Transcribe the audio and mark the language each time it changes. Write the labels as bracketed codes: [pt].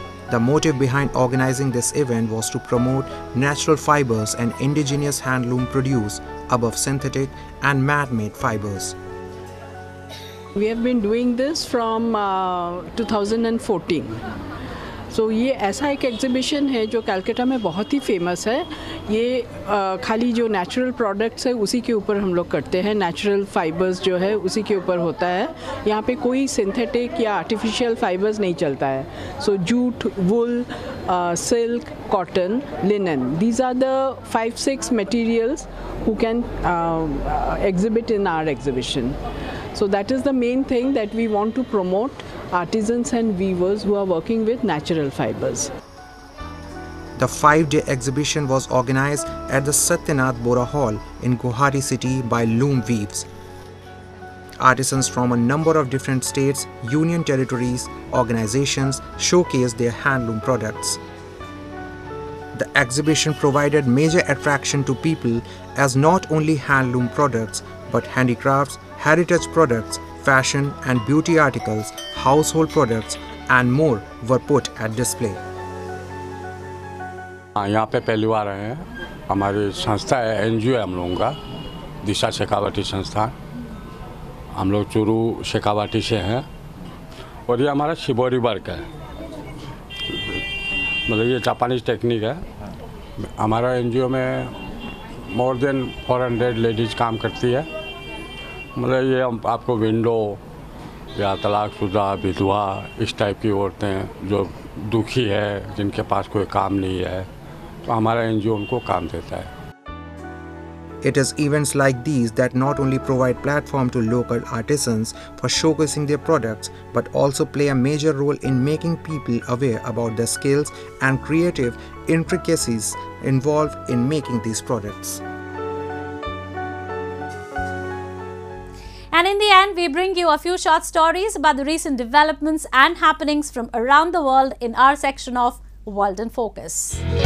[en] The motive behind organizing this event was to promote natural fibers and indigenous handloom produce above synthetic and man-made fibers. We have been doing this from 2014. [hi] So, ये ऐसा एक exhibition है जो कलकत्ता में बहुत ही famous है। ये खाली जो natural products है उसी के ऊपर हम लोग करते हैं, natural fibers जो है उसी के ऊपर होता है। यहाँ पे कोई synthetic या artificial fibers नहीं चलता है। [en] So, jute, wool, silk, cotton, linen, these are the 5-6 materials who can exhibit in our exhibition. So, that is the main thing that we want to promote. Artisans and weavers who are working with natural fibers. The 5-day exhibition was organized at the Satyanath Bora Hall in Guwahati city by Loom Weaves. Artisans from a number of different states, union territories, organizations showcased their handloom products. The exhibition provided major attraction to people as not only handloom products but handicrafts, heritage products, fashion and beauty articles, household products and more were put at display. [hi] यहाँ पे पहली बार आए हैं हमारी संस्था है NGO हम लोगों का दिशा शेखावाटी संस्था हम लोग चूरू शेखावाटी से हैं और ये हमारा शिबोरी वर्क है मतलब ये जापानीज टेक्निक है हमारा एनजीओ में [en] more than [hi] 400 लेडीज काम करती है मतलब ये हम आपको विंडो या तलाकशुदा विधवा इस टाइप की औरतें जो दुखी है जिनके पास कोई काम नहीं है तो हमारा एनजीओ उनको काम देता है [en] It is events like these that not only provide platform to local artisans for showcasing their products but also play a major role in making people aware about the skills and creative intricacies involve in making these products And in the end, we bring you a few short stories about the recent developments and happenings from around the world in our section of World in Focus.